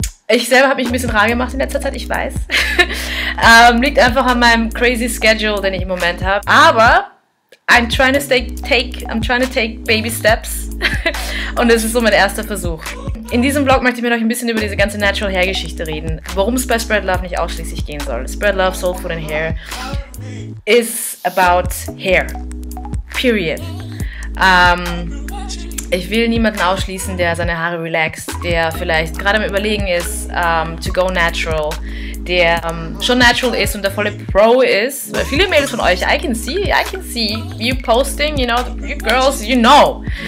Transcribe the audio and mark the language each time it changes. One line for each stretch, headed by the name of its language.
German: Ich selber habe mich ein bisschen rar gemacht in letzter Zeit, ich weiß. liegt einfach an meinem crazy Schedule, den ich im Moment habe. Aber
English: I'm trying to take baby steps.
German: Und es ist so mein erster Versuch. In diesem Vlog möchte ich mit euch ein bisschen über diese ganze Natural Hair Geschichte reden. Warum es bei Spread Love nicht ausschließlich gehen soll.
English: Spread Love, Soul Food and Hair is about hair. Period.
German: Ich will niemanden ausschließen, der seine Haare relaxt, der vielleicht gerade am Überlegen ist,
English: to go natural,
German: der schon natural ist und der volle Pro ist. Weil viele Mädels von euch,
English: I can see you posting, you know, you girls, you know.